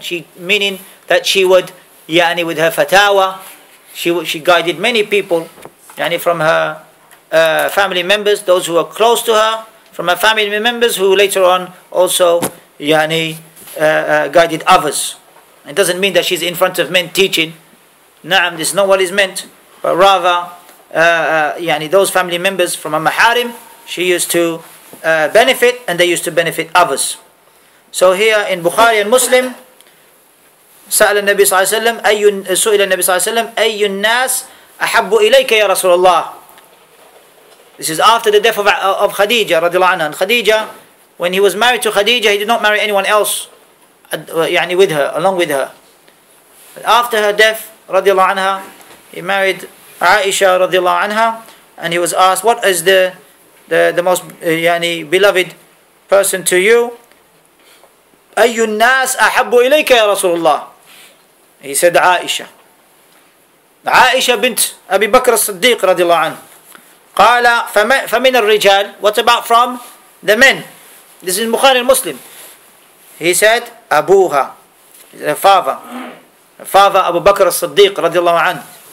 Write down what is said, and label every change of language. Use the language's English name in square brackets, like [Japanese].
[English] She, meaning that she would, yani, with her fatawa, she guided many people, yani, from her family members, those who were close to her, from her family members who later on also, yani, guided others. It doesn't mean that she's in front of men teaching. Na'am, this is not what is meant. But rather, yani, those family members from a maharim, she used to benefit, and they used to benefit others. So here in Bukhari and Muslim, [Arabic] سَأَلَ النَّبِي صَلَى اللَّهِ عَلَيْهِ وَسَلَّمَ أَيُّ النَّبِي صَلَى اللَّهِ عَلَيْهِ وَسَلَّمَ أَيُّ النَّاسِ أَحَبُّ إِلَيْكَ يَا رَسُولَ اللَّهِ. [English] This is after the death of Khadija radiallahu anha. And Khadija, when he was married to Khadija, he did not marry anyone else, yani, with her, along with her. But after her death radiallahu anha, he married Aisha radiallahu anha, and he was asked, what is the most beloved person to you? [Arabic] أَيُّ النَّاسِ أَحَبُّ إِلَيْكَ يَا رَسُولُ اللَّهِ [English] He said, Aisha. Aisha bint Abi Bakr al-Siddiq, radiallahu anhu. [Arabic] قَالَ فَمِنَ الرِّجَالِ [English] What about from the men? This is Bukhari al-Muslim. He said, أَبُوهَا The father. Father Abu Bakr al-Siddiq, radiallahu anhu.